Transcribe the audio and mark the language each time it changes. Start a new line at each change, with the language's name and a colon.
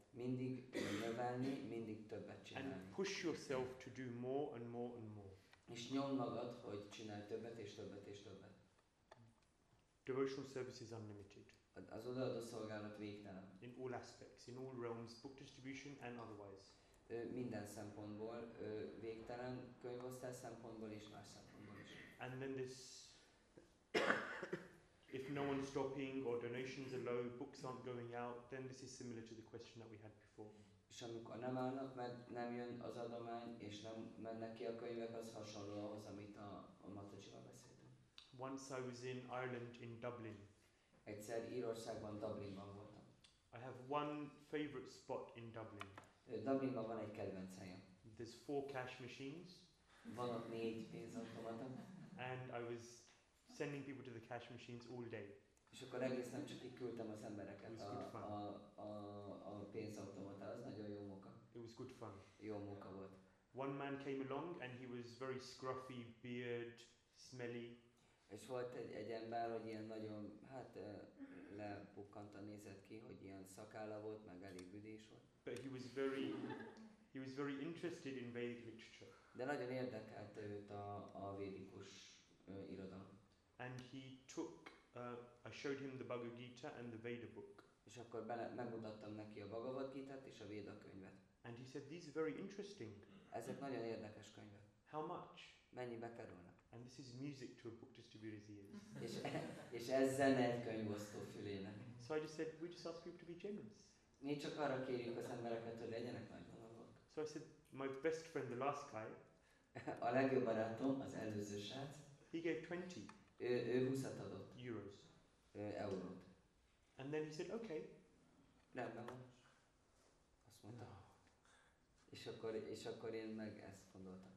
Hungarian: Mindig növelni, mindig többet csinálni.
English: And push yourself to do more and more and more.
Hungarian: És nyomd magad, hogy csinálj többet és többet és többet.
English: Devotional service is unlimited.
Hungarian: Az odaadó szolgálat végtelen.
English: In all aspects, in all realms, book distribution and otherwise.
Hungarian: Minden szempontból, végtelen könyvosztás szempontból és más szempontból is.
English: And then this, if no one's stopping or donations are low, books aren't going out, then this is similar to the question that we had before.
Hungarian: És amikor nem állnak, mert nem jön az adomány, és nem mennek ki a könyvek, az hasonló ahhoz, amit a Matajival beszéltem.
English: Once I was in Ireland, in Dublin.
Hungarian: Egyszer Írországban, Dublinban voltam.
English: I have one favorite spot in Dublin.
Hungarian: Dublinban van egy kedvenc helyem.
English: There's four cash machines.
Hungarian: Van ott négy pénzautomata.
English: And I was sending people to the cash machines all day.
Hungarian: És akkor egész nap csak így küldtem az embereket a pénzautomata. Az nagyon jó munka.
English: It was good fun.
Hungarian: Jó munka volt.
English: One man came along and he was very scruffy, beard, smelly.
Hungarian: És volt egy ember, hogy ilyen nagyon, lepukkantan nézett ki, hogy ilyen szakálla volt, meg elég büdés volt.
English: But he was very interested in Vedic literature.
Hungarian: De nagyon érdekelte őt a védikus irodalom.
English: And he took, I showed him the Bhagavad Gita and the Veda book.
Hungarian: És akkor megmutattam neki a Bhagavad Gita-t és a Veda könyvet.
English: And he said, these are very interesting.
Hungarian: Ezek nagyon érdekes könyvek.
English: How much?
Hungarian: Mennyibe kerülnek?
English: And this is music to a book distributor's ears.
Hungarian: És ez zene egy könyvosztó fülének.
English: So I just said, we just ask people to be generous.
Hungarian: Mi csak arra kérjük az embereket, hogy legyenek nagy valamok.
English: So I said, my best friend, the last guy.
Hungarian: A legjobb barátom, az előző srác.
English: He gave 20.
Hungarian: Ő 20-at adott.
English: Euros.
Hungarian: Eurót.
English: And then he said, okay.
Hungarian: Rendben van. Azt mondta.
English: No.
Hungarian: És akkor én meg ezt gondoltam.